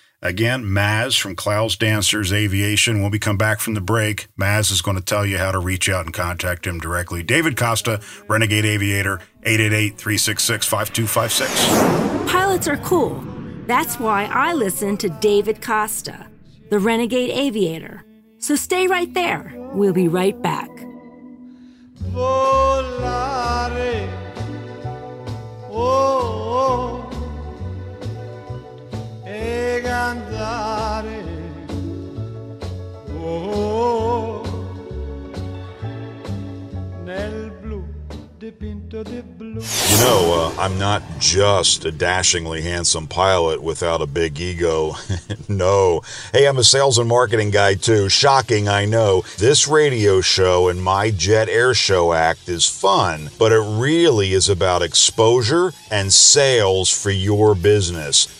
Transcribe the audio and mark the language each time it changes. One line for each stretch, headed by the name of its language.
English: Again, Maz from Klaus Dancers Aviation. When we come back from the break, Maz is going to tell you how to reach out and contact him directly. David Costa, Renegade Aviator, 888-366-5256. Pilots are cool. That's why I listen to David Costa, the Renegade Aviator. So stay right there. We'll be right back.
Italian: Volare, oh, oh, e cantare, oh, oh, nel blu, dipinto di blu.
English: You know, I'm not just a dashingly handsome pilot without a big ego. No. Hey, I'm a sales and marketing guy too. Shocking, I know. This radio show and my Jet Air Show act is fun, but it really is about exposure and sales for your business.